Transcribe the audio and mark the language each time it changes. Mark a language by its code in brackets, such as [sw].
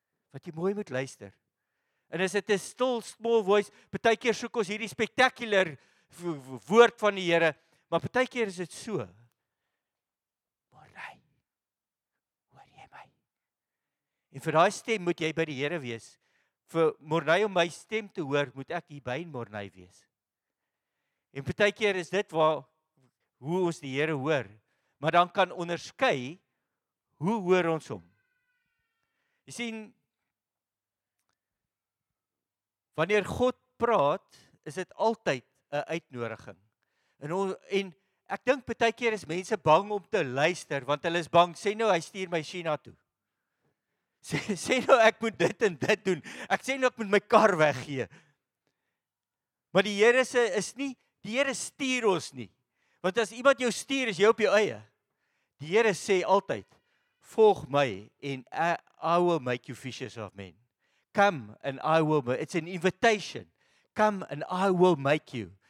[af] Wat jy mooi moet luister. En as dit 'n stil small voice, partykeer soek ons hierdie spectacular woord van die Here, maar partykeer is dit so. Mordai. Hoor jy my? En vir daai stem moet jy by die Here wees. Vir Mordai om my stem te hoor, moet ek hier by Mordai wees. En partykeer is dit waar hoe ons die Here hoor, maar dan kan onderskei hoe hoor ons hom. Jy sien wanneer God praat, is dit altyd 'n uitnodiging. En ek dink partykeer is mense bang om te luister want hulle is bang, sê nou hy stuur my China toe. Sê nou ek moet dit en dit doen. Ek sê nou ek moet my kar weggee. Maar die Here se is nie die Here stuur ons nie. Want as iemand jou stuur, is jy op jou eie. Die Here sê altyd, volg my en [en] I will make you fishers of men. Come and I will, it's an invitation. Come and I will make you.